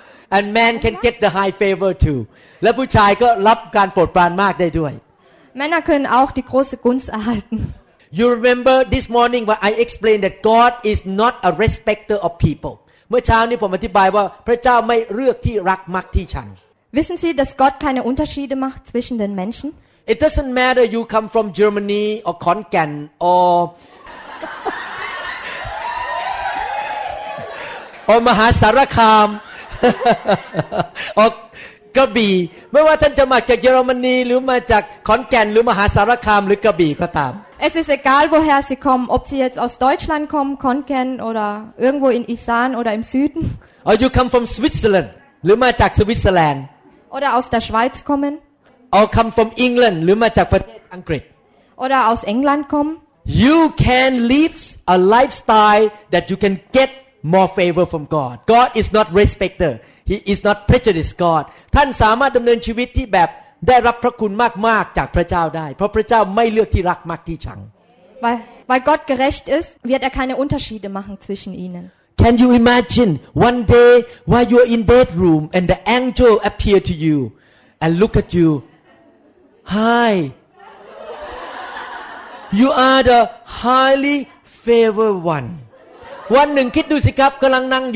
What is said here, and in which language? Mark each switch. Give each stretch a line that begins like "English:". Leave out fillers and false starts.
English: And men can get the high favor too
Thai: และผู้ชายก็รับการโปรดปรานมากได้ด้วย
German: Männer können auch die große Gunst erhalten
English: You remember this morning when I explained that God is not a respecter of people
Thai: เมื่อเช้านี้ผมอธิบายว่าพระเจ้าไม่เลือกที่รักมักที่ชัง
German: Wissen Sie, dass Gott keine Unterschiede macht zwischen den Menschen?
English: It doesn't matter you come from Germany or Khon Kaen or or Mahasarakham or Krabi.
Thai: ไม่ว่าท่านจะมาจากเยอรมนีหรือมาจากขอนแก่นหรือมหาสารคามหรือกระบี่ก็ตาม
German: Es ist egal, woher Sie kommen, ob Sie jetzt aus Deutschland kommen, Khon Kaen oder irgendwo in Isan oder im Süden.
English: Or you come from Switzerland
Thai: หรือมาจากสวิตเซอร์แลนด์
German: Oder aus der Schweiz kommen.
English: Or come from England,
Thai: หรือมาจากประเทศอังกฤษ
German: Oder aus England kommen.
English: You can live a lifestyle that you can get more favor from God. God is not respecter. He is not prejudiced God.
Thai: ท่านสามารถดำเนินชีวิตที่แบบได้รับพระคุณมากๆจากพระเจ้าได้เพราะพระเจ้าไม่เลือกที่รักมากที่ชัง
German: Weil Gott gerecht ist, wird keine Unterschiede machen zwischen ihnen.
English: Can you imagine one day while you're in bedroom and the angel appear to you and look at you? Hi. You are the highly favored one. One day, think about it.